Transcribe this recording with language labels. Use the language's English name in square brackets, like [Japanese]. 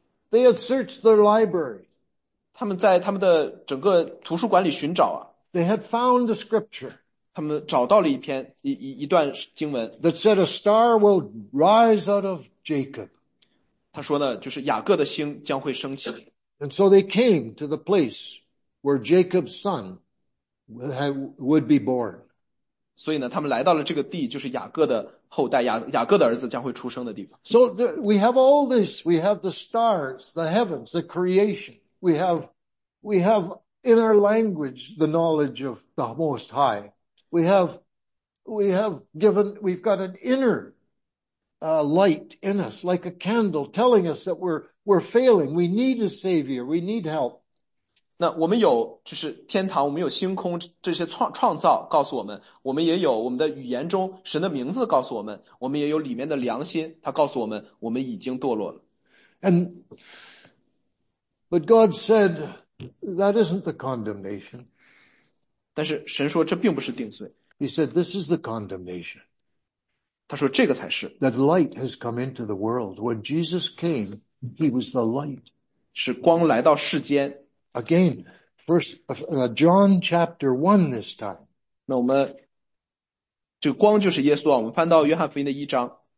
[English] They had searched their library. [Chinese] 他们在他们的整个图书馆里寻找啊， [English] They had found a scripture. [Chinese] 他们找到了一段经文。 [English] That said, a star will rise out of Jacob. [Chinese] 他说呢，就是雅各的星将会升起。 [English] And so they came to the place where Jacob's son would be born. [Chinese] 所以呢，他们来到了这个地，就是雅各的后代，雅各的儿子将会出生的地方。 [English] So we have all this. We have the stars, the heavens, the creation. We have in our language the knowledge of the Most High. We've got an inner light in us, like a candle, telling us that we're failing. We need a savior. We need help. [Chinese] 那我们有就是天堂，我们有星空，这些创造告诉我们，我们也有我们的语言中神的名字告诉我们，我们也有里面的良心，他告诉我们我们已经堕落了。 [English] But God said that isn't the condemnation. [Chinese] 但是神说这并不是定罪， [English] He said, this is the condemnation. [Chinese] 他说这个才是。 [English] That light has come into the world. When Jesus came, he was the light. [Chinese] 是光来到世间。 [English] Again, John chapter 1 this time. [Chinese] 那我们这光就是耶稣啊，我们翻到约翰福音的一章